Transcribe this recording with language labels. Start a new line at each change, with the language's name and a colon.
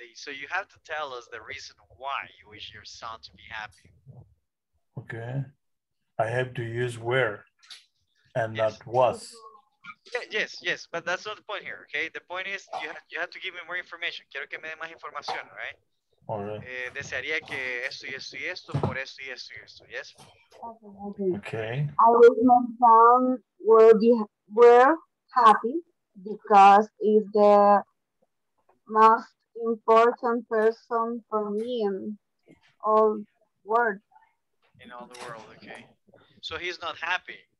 English: So you have to tell us the reason why you wish your son to be happy. Okay. I have to use where. And yes. That was. Yes, but that's not the point here, okay? The point is you have to give me more information.
Spanish: Quiero que me dé más información, right?
English: Alright.
Spanish: Desearía que esto y esto y esto por esto y esto y esto, yes?
English: Okay. I wish my son were happy because he's the most important person for me in all world. In all the world, okay. So he's not happy.